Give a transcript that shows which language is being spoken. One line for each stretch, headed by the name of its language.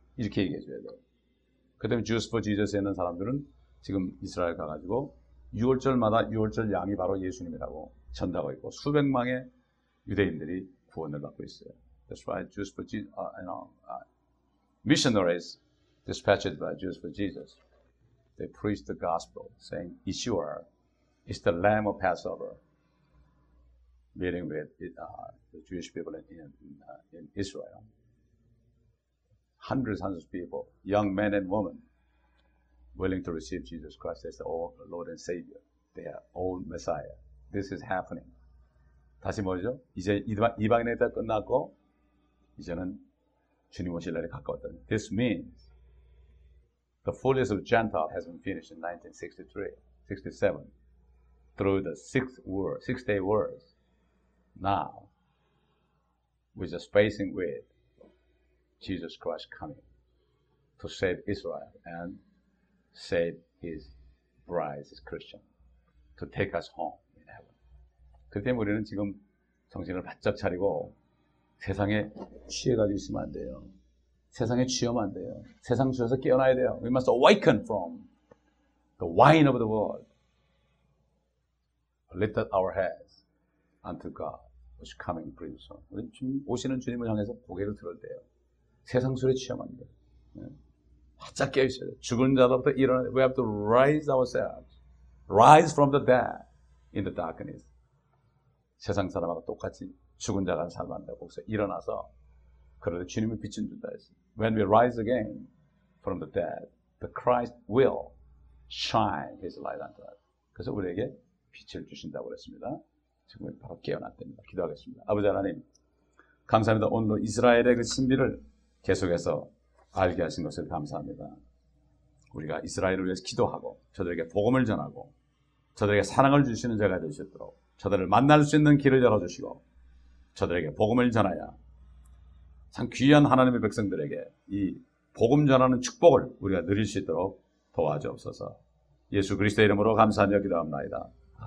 Korean: 이렇게 얘기해줘야 돼요. 그 다음에 Jews for Jesus에 있는 사람들은 지금 이스라엘 가가지고 유월절마다 유월절 양이 바로 예수님이라고 전달하고 있고 수백만의 유대인들이 구원을 받고 있어요.
English: That's why Jews for Jesus, missionaries dispatched by Jews for Jesus, they preach the gospel saying, Yeshua is the Lamb of Passover. Meeting with the Jewish people in Israel. Hundreds of people, young men and women, willing to receive Jesus Christ as the Lord and Savior, their own Messiah. This is happening.
Korean: 다시 뭐죠? 이제 이방인의 때 끝났고, 이제는 주님 오실 날이 가까웠다.
English: This means the fullness of Gentile has been finished in 1967 through the six-day wars. Now, we're just facing with Jesus Christ coming to save Israel and save his bride, his Christian, to take us home in heaven.
Korean: 그때 우리는 지금 정신을 바짝 차리고 세상에 취해가지고 있으면 안 돼요. 세상에 취하면 안 돼요. 세상 취해서 깨어나야 돼요.
English: We must awaken from the wine of the world. Lift up our heads unto God. Which coming pretty soon.
Korean: 우리 지금 오시는 주님을 향해서 고개를 들을 때요. 세상 술에 취하면 안 돼. 바짝 깨어 있어야 돼. 죽은 자로부터 일어나.
English: We have to rise ourselves. Rise from the dead in the darkness.
Korean: 세상 사람하고 똑같이 죽은 자가 살만다. 거기서 일어나서 그러려 주님의 빛을 준다 했어.
English: When we rise again from the dead, the Christ will shine his light unto us.
Korean: 그래서 우리에게 빛을 주신다고 그랬습니다. 지금 바로 깨어났답니다. 기도하겠습니다. 아버지 하나님, 감사합니다. 오늘 이스라엘의 그 신비를 계속해서 알게 하신 것을 감사합니다. 우리가 이스라엘을 위해서 기도하고 저들에게 복음을 전하고 저들에게 사랑을 주시는 자가 되시도록 저들을 만날 수 있는 길을 열어주시고 저들에게 복음을 전하여 참 귀한 하나님의 백성들에게 이 복음 전하는 축복을 우리가 누릴 수 있도록 도와주옵소서. 예수 그리스도의 이름으로 감사하며 기도합니다.